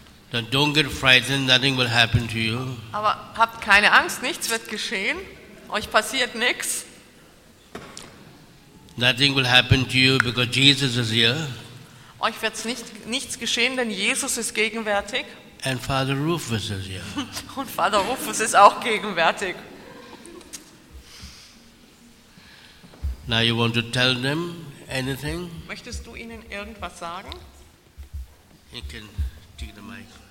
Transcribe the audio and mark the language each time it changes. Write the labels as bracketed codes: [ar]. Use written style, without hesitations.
[en] Then don't get frightened, nothing will happen to you. [de] Aber habt keine Angst, nichts wird geschehen. Euch passiert nichts. [en] Nothing will happen to you because Jesus is here. [de] Euch wird nichts geschehen, denn Jesus ist gegenwärtig. [en] And Father Rufus is here. [de] Und Vater Rufus ist auch gegenwärtig. [en] Now you want to tell them anything? [de] Möchtest du ihnen irgendwas sagen? [en] You can take the mic.